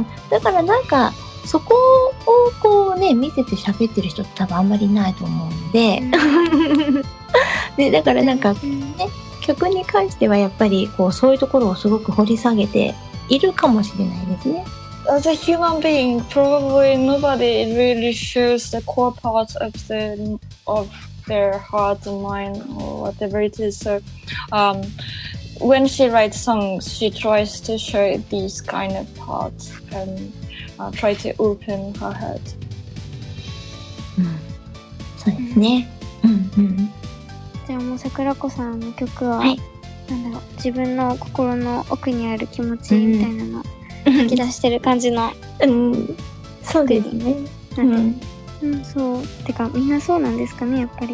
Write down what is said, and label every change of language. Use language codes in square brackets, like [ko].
[ja] だからなんかそこをこうね、見せて喋ってる人って多分あんまりないと思うんで、うん、でだからなんか、ね、曲に関してはやっぱりこうそういうところをすごく掘り下げているかもしれないですね。 [en] As a human being, probably nobody really shows the core parts of the ofTheir heart and mind, or whatever it is. So, when she writes songs, she tries to show these kind of parts and try to open her heart. [ja] そうですね。じゃあもう桜子さんの曲は、なんだろう、自分の心の奥にある気持ちみたいなの吐き出してる感じの、そうですね。そう、てかみんなそうなんですかね、やっぱり